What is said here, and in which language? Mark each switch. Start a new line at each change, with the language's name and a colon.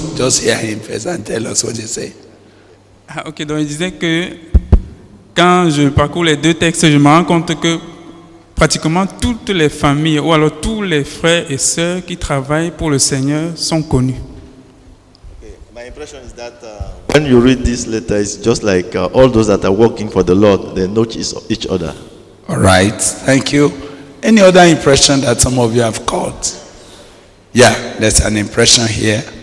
English: Just hear him first and tell us what you say.
French: Ah, ok, donc il disait que quand je parcours les deux textes, je me rends compte que pratiquement toutes les familles, ou alors tous les frères et sœurs qui travaillent pour le Seigneur sont connus.
English: My impression is that when you read this letter, it's just like all those that are working for the Lord, they know each other. All right, thank you. Any other impression that some of you have caught? Yeah, there's an impression here.